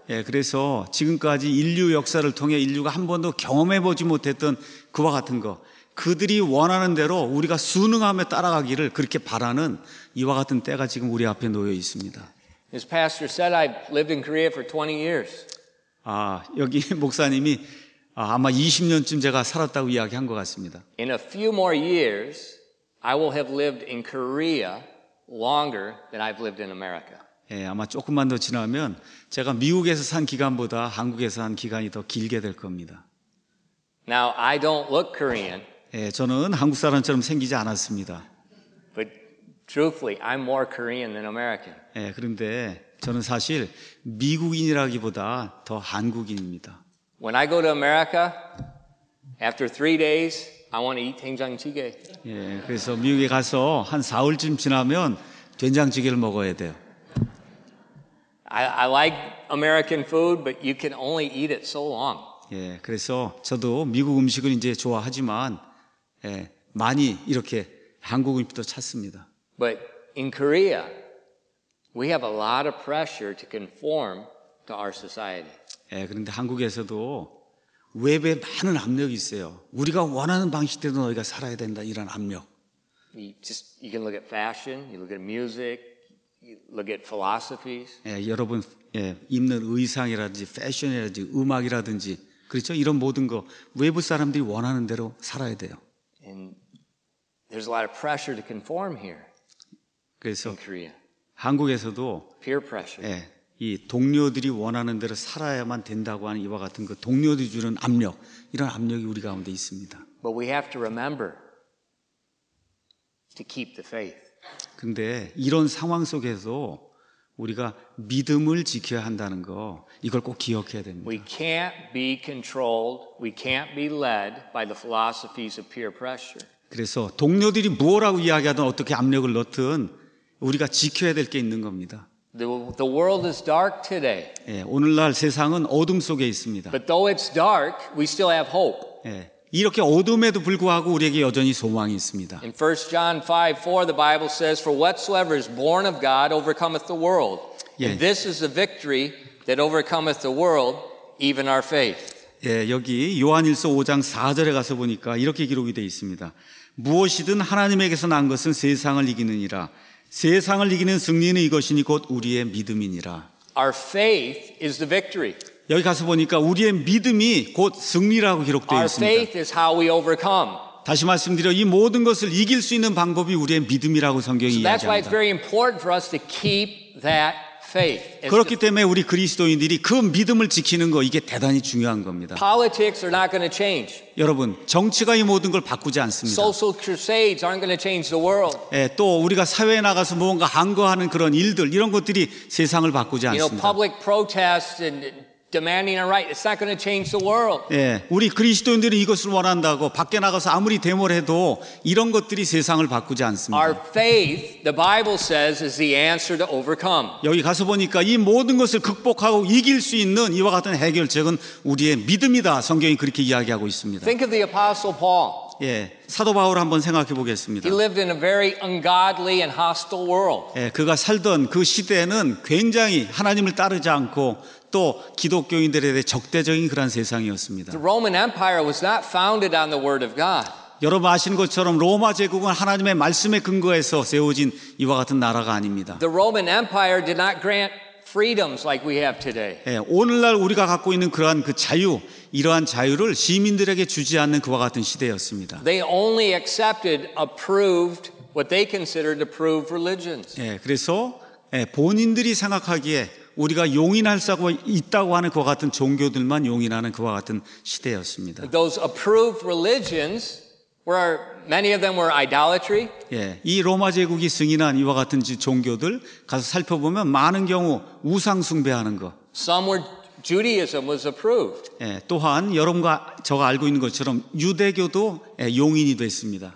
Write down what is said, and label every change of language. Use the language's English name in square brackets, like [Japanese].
[Korean] 예, 그래서 지금까지 인류 역사를 통해 인류가 한 번도 경험해 보지 못했던 그와 같은 거 그들이 원하는 대로 우리가 순응함에 따라가기를 그렇게 바라는 이와 같은 때가 지금 우리 앞에 놓여 있습니다. [English] His pastor said I lived in Korea for 20 years. [Korean] 아, 여기 목사님이 아마 20년쯤 제가 살았다고 이야기한 것 같습니다. [English] In a few more years, I will have lived in Korea longer than I've lived in America. [Korean] 예, 아마 조금만 더 지나면 제가 미국에서 산 기간보다 한국에서 산 기간이 더 길게 될 겁니다. [English] Now I don't look Korean. [Korean] 예, 저는 한국 사람처럼 생기지 않았습니다. [English] But truthfully, I'm more Korean than American. [Korean] 예, 그런데 저는 사실 미국인이라기보다 더 한국인입니다. [English] When I go to America, after 3 days, I want to eat 된장찌개. [Korean] 예, 그래서 미국에 가서 한 사흘쯤 지나면 된장찌개를 먹어야 돼요. [English] I like American food, but you can only eat it so long. [Korean] 예, 그래서 저도 미국 음식을 이제 좋아하지만 예, 많이 이렇게 한국 음식도 찾습니다. [English] But in Korea, we have a lot of pressure to conform to our society. [Korean] 예, 그런데 한국에서도 외부에 많은 압력이 있어요. 우리가 원하는 방식대로 너희가 살아야 된다 이런 압력. [English] You can look at fashion, you look at music, you look at philosophies. [Korean] 예, 여러분 예, 입는 의상이라든지 패션이라든지 음악이라든지 그렇죠? 이런 모든 거 외부 사람들이 원하는 대로 살아야 돼요. [English] And there's a lot of pressure to conform here. [Korean] 그래서 [English] in Korea. [Korean] 한국에서도 [English] peer pressure. [Korean] 예. 이 동료들이 원하는 대로 살아야만 된다고 하는 이와 같은 그 동료들이 주는 압력 이런 압력이 우리 가운데 있습니다. [English] But we have to remember to keep the faith. [Korean] 근데 이런 상황 속에서 우리가 믿음을 지켜야 한다는 거 이걸 꼭 기억해야 됩니다. [English] We can't be controlled. We can't be led by the philosophies of peer pressure. [Korean] 그래서 동료들이 뭐라고 이야기하든 어떻게 압력을 넣든 우리가 지켜야 될 게 있는 겁니다. [English] The world is dark today. [Korean] 예, 오늘날 세상은 어둠 속에 있습니다. [English] But though it's dark, we still have hope. [Korean] 예, 이렇게 어둠에도 불구하고 우리에게 여전히 소망이 있습니다. [English] In 1 John 5:4, the Bible says, "For whatsoever is born of God overcometh the world." And this is the victory that overcometh the world, even our faith. [Korean] 예, 여기 요한일서 5장 4절에 가서 보니까 이렇게 기록이 돼 있습니다. 무엇이든 하나님에게서 난 것은 세상을 이기느니라. 세상을 이기는 승리는 이것이니 곧 우리의 믿음이니라. [English] Our faith is the victory. [Korean] 여기 가서 보니까 우리의 믿음이 곧 승리라고 기록되어 있습니다. [English] Our faith is how we overcome. [Korean] 다시 말씀드려 이 모든 것을 이길 수 있는 방법이 우리의 믿음이라고 성경이 [English] so [Korean] 이야기합니다. [English] That's why it's very important for us to keep that faith. [Korean] 그렇기 때문에 우리 그리스도인들이 그 믿음을 지키는 거 이게 대단히 중요한 겁니다. [English] Politics are not going to change. [Korean] 여러분, 정치가 이 모든 걸 바꾸지 않습니다. [English] Social crusades aren't going to change the world. [Korean] 예, 또 우리가 사회에 나가서 뭔가 항거하는 그런 일들 이런 것들이 세상을 바꾸지 않습니다. [English] You know, public protests and demanding a right, it's not going to change the world. [Korean] 예, 우리 그리스도인들이 이것을 원한다고 밖에 나가서 아무리 데모를 해도 이런 것들이 세상을 바꾸지 않습니다. [English] Our faith, the Bible says, is the answer to overcome. [Korean] 여기 가서 보니까 이 모든 것을 극복하고 이길 수 있는 이와 같은 해결책은 우리의 믿음이다. 성경이 그렇게 이야기하고 있습니다. [English] Think of the Apostle Paul. [Korean] 예, 사도 바울 한번 생각해 보겠습니다. [English] He lived in a very ungodly and hostile world. [Korean] 예, 그가 살던 그 시대에는 굉장히 하나님을 따르지 않고 또 기독교인들에 대해 적대적인 그런 세상이었습니다. [English] The Roman Empire was not founded on the word of God. [Korean] 여러분 아시는 것처럼 로마 제국은 하나님의 말씀에 근거해서 세워진 이와 같은 나라가 아닙니다. [English] The Roman Empire did not grant freedoms like we have today. [Korean] 예, 오늘날 우리가 갖고 있는 그러한 그 자유, 이러한 자유를 시민들에게 주지 않는 그와 같은 시대였습니다. [English] They only accepted approved what they considered approved religions. [Korean] 예, 그래서 예, 본인들이 생각하기에 우리가 용인할 수 있다고 하는 그와 같은 종교들만 용인하는 그와 같은 시대였습니다. [English] Those approved religions Where many of them were idolatry. [Korean] 예, 이 로마 제국이 승인한 이와 같은 종교들 가서 살펴보면 많은 경우 우상 숭배하는 거. [English] Some were Judaism was approved. [Korean] 예, 또한 여러분과 저가 알고 있는 것처럼 유대교도 예, 용인이 됐습니다.